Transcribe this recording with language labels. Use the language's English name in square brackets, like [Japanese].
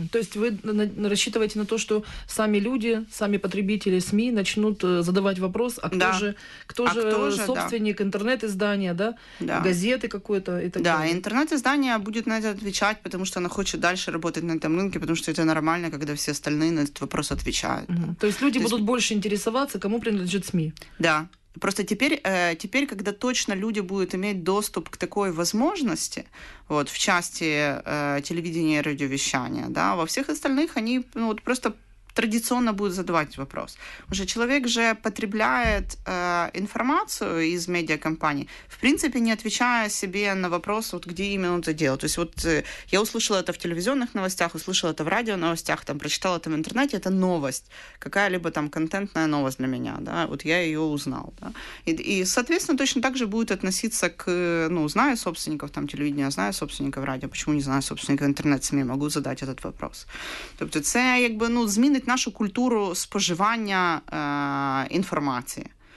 [Ukrainian] Тобто ви рассчитуєте на те, що самі люди, самі потребителі СМІ почнуть задавати вопрос, а хто же собственник інтернет-іздання, газети какої-то і так далі. Так, інтернет-іздання буде навіть відповідати, тому що вона хоче далі працювати на цьому ринку, тому що це нормально, коли всі остальні на цей вопрос відповідають. Тобто люди будуть більше цікавитися, кому принадлежить СМІ. [Russian] Да. Просто теперь, когда точно люди будут иметь доступ к такой возможности, в части телевидения и радиовещания, во всех остальных они просто традиционно будут задавать вопрос. Потому что человек же потребляет информацию из медиакомпаний, в принципе, не отвечая себе на вопрос, где именно это дело. То есть я услышала это в телевизионных новостях, услышала это в радионовостях, прочитала это в интернете, это новость, какая-либо контентная новость для меня. Да? Я ее узнал. Да? И, соответственно, точно так же будет относиться к, знаю собственников телевидения, знаю собственников радио, почему не знаю собственников интернет-СМИ, могу задать этот вопрос. [Ukrainian] Тобто це, нашу культуру споживання інформації.